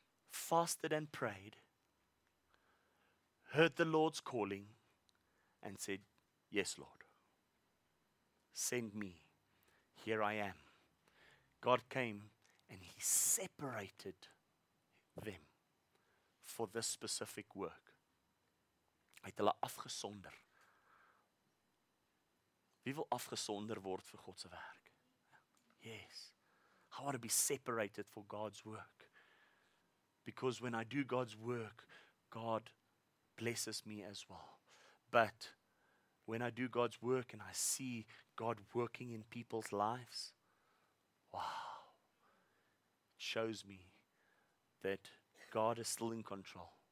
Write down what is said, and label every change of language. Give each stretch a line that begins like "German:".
English: Fasted and prayed, heard the Lord's calling, and said, yes, Lord, send me. Here I am. God came and He separated them for this specific work.
Afrikaans: Hy het hulle afgesonder. Wie wil afgesonder word vir God se werk?
English: Yes. I want to be separated for God's work. Because when I do God's work, God blesses me as well. But when I do God's work and I see God working in people's lives, wow, it shows me that God is still in control.